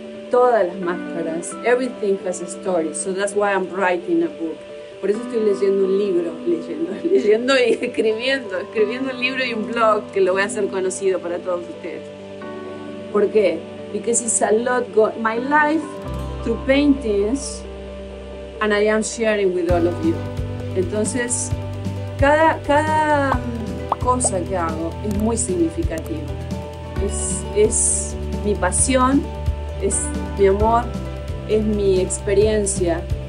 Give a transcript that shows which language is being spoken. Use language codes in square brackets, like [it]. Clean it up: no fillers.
[es] Todas las máscaras, [en] everything has a story. So that's why I'm writing a book. [es] Por eso estoy leyendo un libro, leyendo y escribiendo un libro y un blog que lo voy a hacer conocido para todos ustedes. ¿Por qué? Porque [en] it's a lot going on. My life through paintings, and I am sharing with all of you. [es] Entonces, cada cosa que hago es muy significativa. Es mi pasión, es mi amor, es mi experiencia.